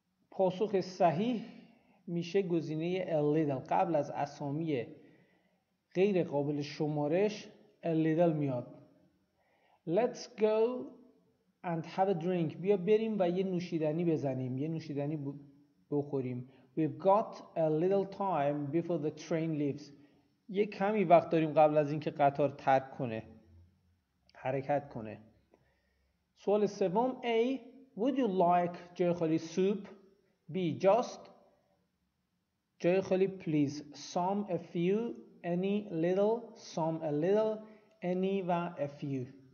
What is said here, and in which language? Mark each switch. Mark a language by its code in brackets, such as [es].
[fa] پاسخ صحیح میشه گزینه a little، قبل از اسامی غیر قابل شمارش a little میاد. [en] Let's go and have a drink. [fa] بیا بریم و یه نوشیدنی بزنیم، یه نوشیدنی بخوریم. [en] We've got a little time before the train leaves. [fa] یه کمی وقت داریم قبل از اینکه قطار ترک کنه، حرکت کنه. سوال سوم، [en] A. Would you like [fa] جای خالی [en] soup? B. Just [fa] جای خالی [en] please. Some, a few, any, little. Some, a little, any و a few.